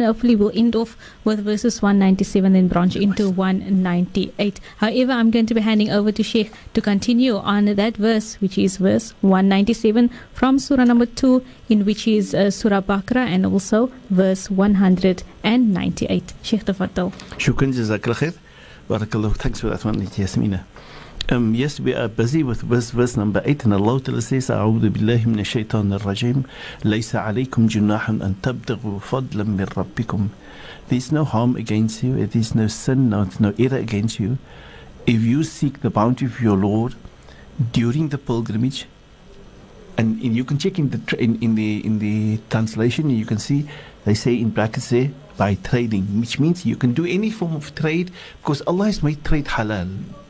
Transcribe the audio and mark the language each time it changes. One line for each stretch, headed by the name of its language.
English: Hopefully we'll end off with verses 197 then branch into 198. However, I'm going to be handing over to Sheikh to continue on that verse, which is verse 197 from Surah number 2, in which is Surah Baqarah, and also verse 198. Sheikh Tafattal. Shukran, Jazakallah Khair. Barakallah. Thanks for that one, Yasmina. Yes, we are busy with verse number 8, and Allah Ta'ala says,
Arabic: أعوذ بالله من الشيطان الرجيم ليس عليكم جناح أن تبتغوا فضلا من ربكم.
English: There is no harm against you, there is no sin, no error against you. If you seek the bounty of your Lord during the pilgrimage, and you can check in the translation, you can see, they say in brackets there, by trading, which means you can do any form of trade, because Allah has made trade halal.